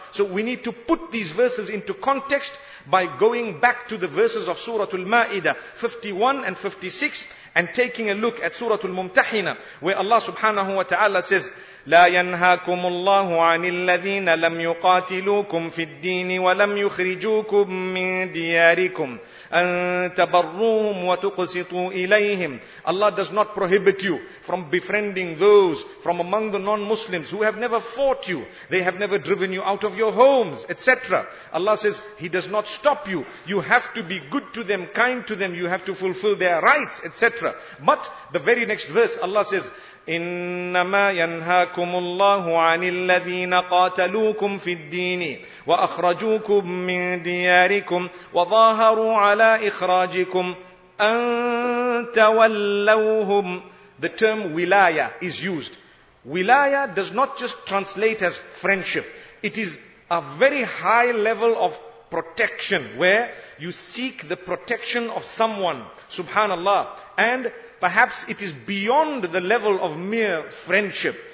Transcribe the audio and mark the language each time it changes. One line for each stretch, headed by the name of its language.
English: So we need to put these verses into context by going back to the verses of Surah Al-Ma'idah 51 and 56 and taking a look at Surah Al-Mumtahina where Allah subhanahu wa ta'ala says,
Arabic: لا ينهاكم الله عن الذين لم يقاتلوكم في الدين ولم يخرجوكم من دياركم أن تبروهم وتقسطوا إليهم.
English: Allah does not prohibit you from befriending those from among the non-Muslims who have never fought you. They have never driven you out of your homes, etc. Allah says He does not stop you. You have to be good to them, kind to them. You have to fulfill their rights, etc. But the very next verse, Allah says,
Arabic: إنما ينهاكم الله عن الذين قاتلوكم في الدين وأخرجوكم من دياركم وظاهروا على إخراجكم أن تولوهم.
English: The term wilaya is used. Wilaya does not just translate as friendship. It is a very high level of protection where you seek the protection of someone, subhanallah, and perhaps it is beyond the level of mere friendship.